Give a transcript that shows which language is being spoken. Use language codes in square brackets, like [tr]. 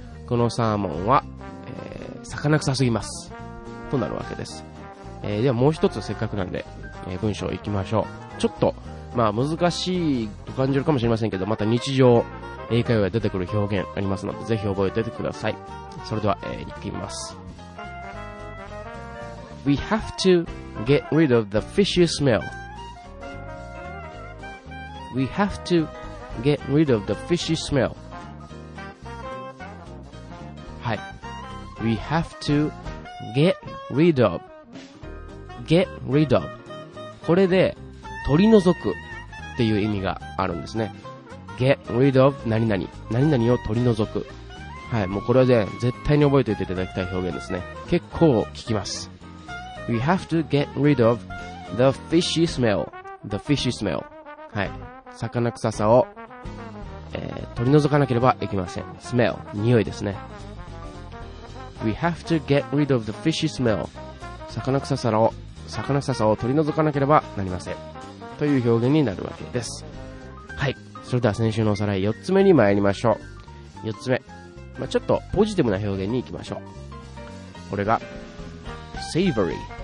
[ja] このサーモンは、魚臭すぎますとなるわけです。ではもう一つ、せっかくなんで、文章いきましょう。ちょっとまあ難しいと感じるかもしれませんけど、また日常英会話で出てくる表現ありますので、ぜひ覚えててください。それでは、いきます。 [en] We have to get rid of the fishy smell. We have to get rid of the fishy smell. [ja] はい、 [en] We have to get rid of、 [ja] get rid of、 これで取り除くっていう意味があるんですね。 [en] get rid of [ja] 何々、何々を取り除く。はい、もうこれはね、絶対に覚えておいていただきたい表現ですね。結構聞きます。 [en] We have to get rid of the fishy smell. The fishy smell. はい。 [ja] 魚臭さを、取り除かなければいけません。 smell、匂いですね。 [en] We have to get rid of the fishy smell. [ja] 魚臭さを取り除かなければなりません。という表現になるわけです。はい。それでは先週のおさらい4つ目に参りましょう。4つ目。まあ、ちょっとポジティブな表現に行きましょう。これが、savory。